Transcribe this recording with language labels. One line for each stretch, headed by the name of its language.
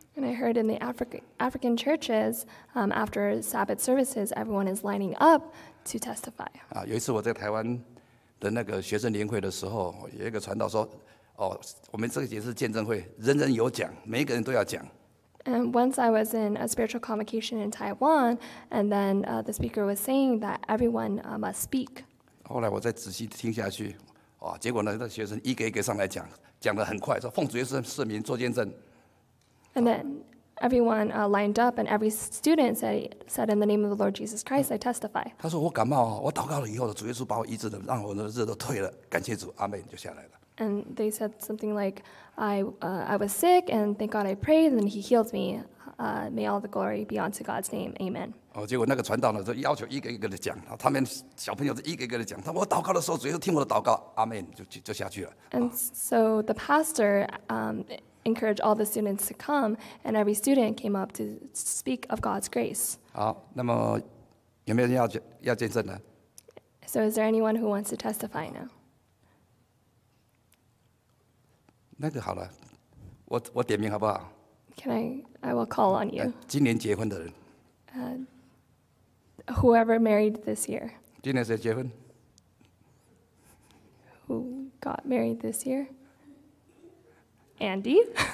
English: And I heard in the African churches, after Sabbath services, everyone is lining up to testify.
Chinese: 有一次我在台湾的那个学生联会的时候，有一个传道说，我们这个也是见证会，人人有讲，每一个人都要讲。
English: And once I was in a spiritual convocation in Taiwan, and then the speaker was saying that everyone must speak.
Chinese: 后来我再仔细听下去，结果呢，那学生一个一个上来讲，讲得很快，说奉主耶稣的名做见证。
English: And then everyone lined up, and every student said in the name of the Lord Jesus Christ, I testify.
Chinese: 他说我感冒，我祷告了以后，主耶稣把我医治了，让我的热都退了，感谢主，阿门，就下来了。
English: And they said something like, I was sick, and thank God I prayed, and then He healed me. May all the glory be unto God's name. Amen.
Chinese: 结果那个传道呢，就要求一个一个的讲，他们小朋友就一个一个的讲。他说我祷告的时候，主耶稣听我的祷告，阿门，就下去了。
English: And so the pastor encouraged all the students to come, and every student came up to speak of God's grace.
Chinese: 好，那么有没有人要见证呢？
English: So is there anyone who wants to testify now?
Chinese: 那个好了，我点名好不好
English: ？Can I will call on you.
Chinese: 今年结婚的人。
English: Whoever married this year.
Chinese: 今年谁结婚
English: ？Who got married this year? Andy.